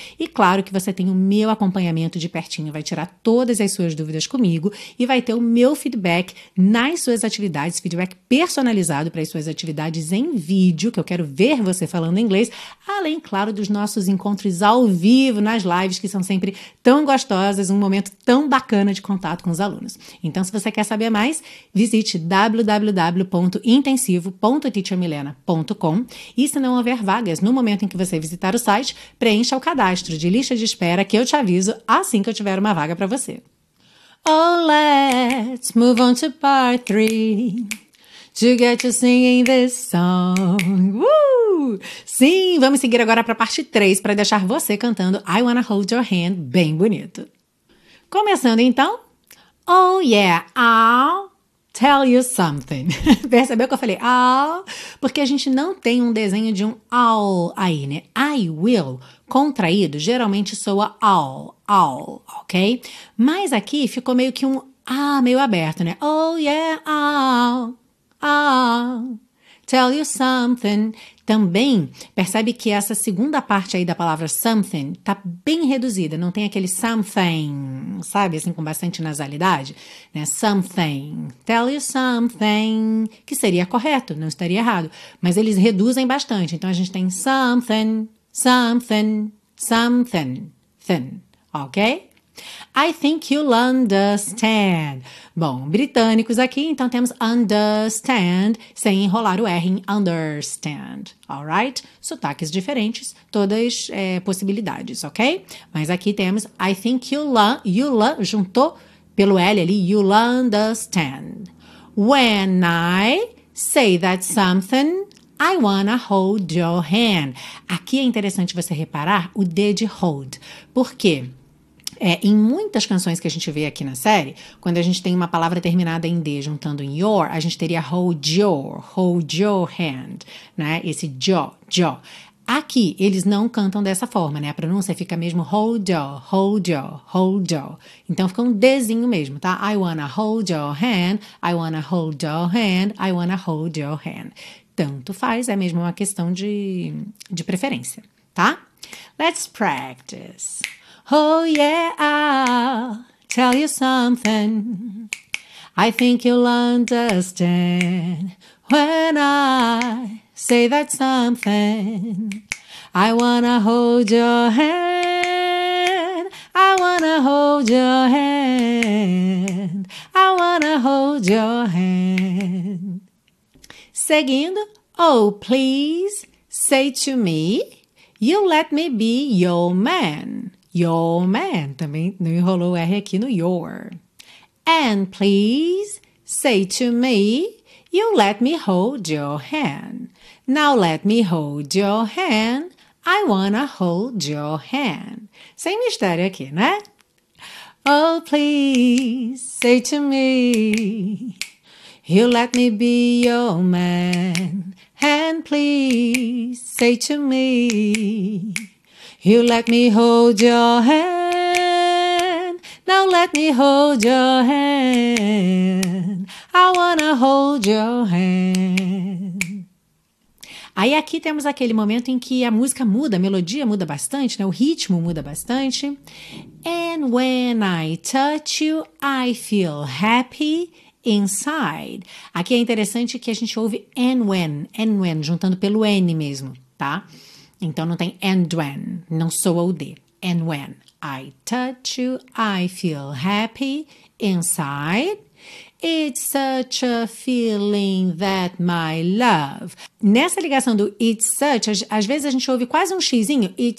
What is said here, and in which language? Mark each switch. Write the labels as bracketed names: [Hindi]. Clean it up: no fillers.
[Portuguese] E claro que você tem o meu acompanhamento de pertinho, vai tirar todas as suas dúvidas comigo e vai ter o meu feedback nas suas atividades, feedback personalizado para as suas atividades em vídeo, que eu quero ver você falando inglês, além, claro, dos nossos encontros ao vivo, nas lives, que são sempre tão gostosas, um momento tão bacana de contato com os alunos. Então, se você quer saber mais, visite www.intensivo.teachermilena.com e se não houver vagas no momento em que você visitar o site, preencha o cadastro de lista de espera que eu te aviso assim que eu tiver uma vaga para você. [English] Oh, let's move on to part 3 to get you singing this song. [Portuguese] Sim, vamos seguir agora para a parte 3 para deixar você cantando I Wanna Hold Your Hand bem bonito. Começando então, [English] oh yeah, I'll tell you something. [Portuguese] Percebeu que eu falei I'll? Porque a gente não tem um desenho de um I'll aí, né? [English] I will, [Portuguese] contraído, geralmente soa [English] I'll, I'll, ok? [Portuguese] Mas aqui ficou meio que um ah, meio aberto, né? [English] Oh yeah, I'll, I'll tell you something. [Portuguese] Também, percebe que essa segunda parte aí da palavra something tá bem reduzida, não tem aquele something, sabe, assim, com bastante nasalidade, né, something, [English] tell you something, [Portuguese] que seria correto, não estaria errado, mas eles reduzem bastante, então a gente tem something, something, something, thing, ok? [English] I think you'll understand. [Portuguese] Bom, britânicos aqui, então temos understand, sem enrolar o R em understand, alright? Sotaques diferentes, todas possibilidades, ok? Mas aqui temos [English] I think you'll [Portuguese] juntou pelo L ali, [English] you'll understand. When I say that something, I wanna hold your hand. [Portuguese] Aqui é interessante você reparar o D de hold. Por quê? Em muitas canções que a gente vê aqui na série, quando a gente tem uma palavra terminada em D juntando em your, a gente teria [English] hold your hand, [Portuguese] né? Esse jo, jo. Aqui, eles não cantam dessa forma, né? A pronúncia fica mesmo [English] hold your, hold your, hold your. [Portuguese] Então, fica um Dzinho mesmo, tá? [English] I wanna hold your hand, [Portuguese] I wanna hold your hand, I wanna hold your hand. Tanto faz, é mesmo uma questão de preferência, tá? [English] Let's practice. Oh yeah, I'll tell you something, I think you'll understand. When I say that something, I wanna hold your hand, I wanna hold your hand, I wanna hold your hand. [Portuguese] Seguindo, [English] Oh, please say to me, you let me be your man. Your man. [Portuguese] Também não enrolou o R aqui no your. [English] And please say to me, you let me hold your hand. Now let me hold your hand. I wanna hold your hand. [Portuguese] Sem mistério aqui, né? [English] Oh, please say to me, you let me be your man. And please say to me, you let me hold your hand. Now let me hold your hand. I wanna hold your hand. [Portuguese] Aí aqui temos aquele momento em que a música muda, a melodia muda bastante, né? O ritmo muda bastante. [English] And when I touch you, I feel happy inside. [Portuguese] Aqui é interessante que a gente ouve [English] and when, [Portuguese] juntando pelo N mesmo, tá? Então não tem [English] and when, [Portuguese] não soa o D. [English] And when I touch you, I feel happy inside. It's such a feeling that my love. [Portuguese] Nessa ligação do [English] it's such, [Portuguese] às vezes a gente ouve quase um xizinho.